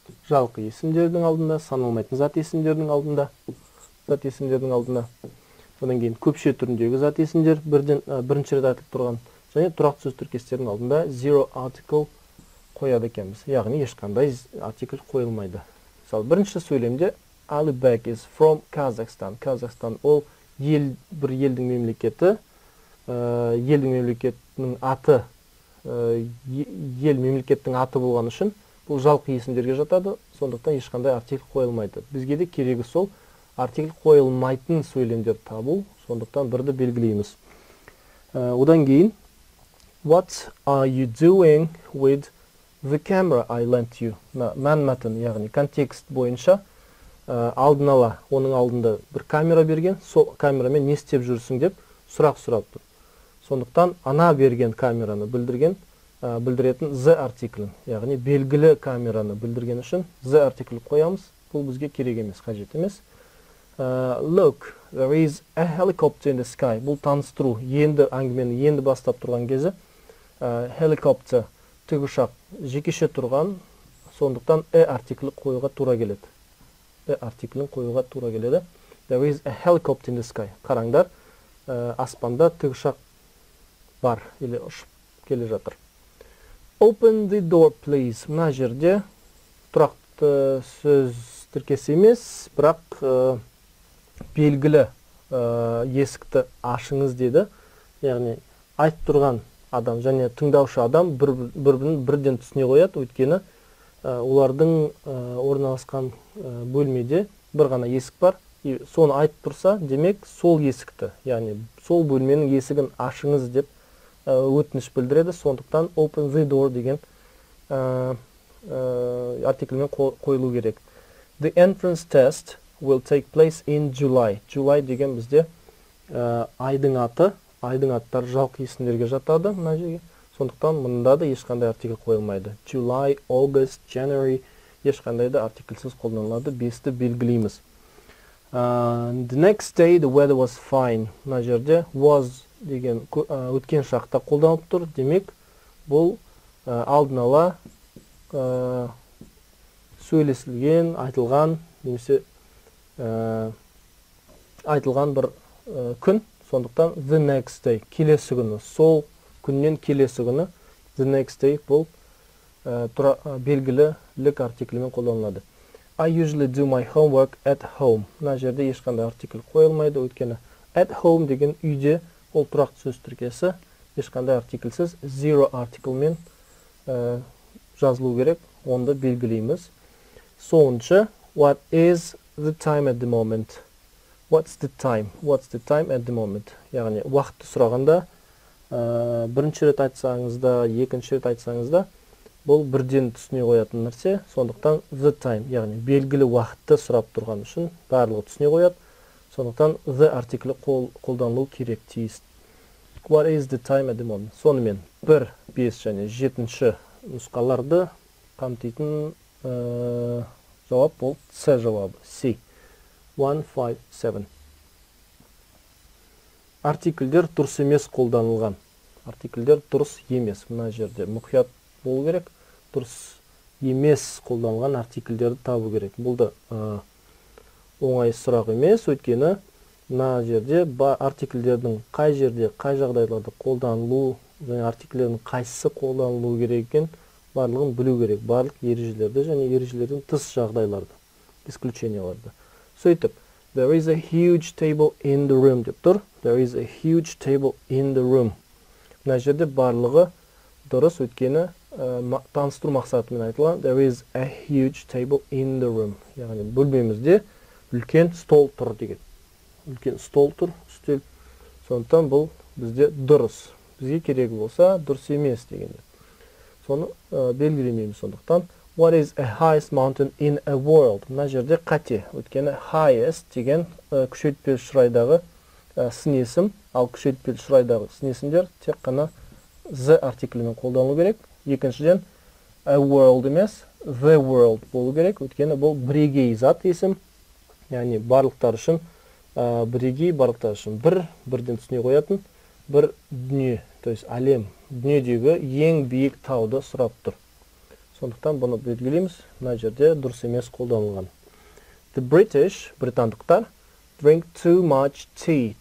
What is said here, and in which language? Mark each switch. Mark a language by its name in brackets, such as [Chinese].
[Kazakh] Жалқы есімдердің алдында, саналмайтын зат есімдердің алдында, Одан кейін көпше түріндегі зат есімдер, бірінші рет айтылып тұрған. Және тұрақты сөз тіркестерінің алдында zero article қояды екенбіз. Яғни ешқандай артикль қойылмайды. Мысалы, бірінші сөйлемде [English] Ali Beg is from Kazakhstan. [Kazakh] Kazakhstan ол бір елдің мемлекеті, елдің мемлекетінің аты, ел мемлекеттің аты болған үшін бұл жалқы есімдерге жатады. Сондықтан ешқандай артикль қойылмайды. Бізге де керегі сол артикль қойылмайтын сөйлемдер табу. Сондықтан бірді белгілейміз. Одан кейін [English] What are you doing with the camera I lent you? [Kazakh] Мән мәтін, яғни контекст бойынша алдын ала, оның алдында бір камера берген, сол камерамен не істеп жүрсің деп сұрақ сұрап тұр. Сондықтан ана берген камераны білдіретін the артиклін, яғни белгілі камераны білдірген үшін the артикл қоямыз. Бұл бізге керек емес, қажет емес. [English] Look, there is a helicopter in the sky. [Kazakh] Бұл таныстыру, әңгімені бастап тұрған кезі. Helicopter, тік ұшақ, жекеше тұрған, сондықтан a артиклі қоюға тура келеді. A артиклін қоюға тура келеді. [English] There is a helicopter in the sky. [Kazakh] Қараңдар, аспанда тік ұшақ бар, [Russian] или [Kazakh] ұшып келе жатыр. [English] Open the door, please. [Kazakh] Мына жерде тұрақты сөз тіркесі емес, бірақ белгілі есікті ашыңыз деді. Яғни, айт тұрған адам және тыңдаушы адам бірден түсіне қояды, өйткені олардың орналасқан бөлмеде бір ғана есік бар, [Russian] и [Kazakh] соны айтып тұрса, демек сол есікті, яғни сол бөлменің есігін ашыңыз деп өтініш білдіреді. Сондықтан [English] open the door [Kazakh] деген артикльмен қойылу керек. [English] The entrance test will take place in July. [Kazakh] July деген бізде айдың аты, айдың аттары жалқы есімдерге жатады мына жерге. Сондықтан мұнда да ешқандай артикл қойылмайды. July, August, January ешқандай да артикльсіз қолданылады. Бесті белгілейміз. [English] The next day the weather was fine. [Kazakh] Мына жерде was деген өткен шақта қолданылып тұр. Демек, бұл алдын ала сөйлесілген, айтылған, немесе айтылған бір күн. Сондықтан [English] the next day, [Kazakh] келесі күні, сол күннен келесі күні, [English] the next day [Kazakh] бұл белгілілік артиклімен қолданылады. [English] I usually do my homework at home. [Kazakh] Мына жерде ешқандай артикль қойылмайды, өйткені [English] at home [Kazakh] деген үйде, ол тұрақты сөз тіркесі, ешқандай артиклсіз, zero артиклмен жазылу керек, онда белгілейміз. Соңыншы, [English] what is the time at the moment? What's the time? What's the time at the moment? [Kazakh] Яғни, уақытты сұрағанда, бірінші рет айтсаңызда, екінші рет айтсаңызда, бұл бірден түсіне қоятын нәрсе, сондықтан the time, яғни белгілі уақытты сұрап тұрған үшін барлығы түсіне қояды. Сондықтан the артиклі қолданылу керек тиіс. [English] What is the time at the moment? [Kazakh] Сонымен 1, 5 және 7-ші нұсқаларды қамтитын жауап бұл C жауабы. C. 1, 5, 7. Артикльдер дұрыс емес қолданылған. Артикльдер дұрыс емес. Мына жерде мұқият болу керек. Дұрыс емес қолданылған артикльдерді табу керек. Бұл да оңай сұрақ емес, өйткені мына жерде артикльдердің қай жерде, қай жағдайларда қолданылуы және артикльдердің қайсысы қолданылуы керек екен, барлығын білу керек. Барлық ережелерді және ережелерден тыс жағдайларды, исключенияларды. Сөйтіп, [English] there is a huge table in the room [Kazakh] деп тұр. [English] There is a huge table in the room. [Kazakh] Мына жерде барлығы дұрыс, өйткені таныстыру мақсатымен айтылған. [English] There is a huge table in the room. [Kazakh] Яғни бөлмемізде үлкен стол тұр деген. Үлкен стол тұр, үстел. Сондықтан бұл бізде дұрыс. Бізге керек болса, дұрыс емес дегенде. Соны белгілемейміз сондықтан. [English] What is the highest mountain in the world? [Kazakh] Мына жерде қате. Өйткені highest деген күшейтпелі шұрайдағы сын есім. Ал күшейтпелі шұрайдағы сын есімдер тек қана the артиклімен қолданылу керек. Екіншіден, [English] a world [Kazakh] емес, [English] the world [Kazakh] болу керек. Өйткені бұл бірегей зат есім. Яғни барлықтар үшін бірегей, барлықтар үшін бір, бірден түсіне қоятын бір дүние, [Russian] то есть [Kazakh] әлем, дүниедегі ең биік тауды сұрап тұр. Сондықтан бұны белгілейміз, мына жерде дұрыс емес қолданылған. [English] The British, [Kazakh] британдықтар, [English] drink too much tea.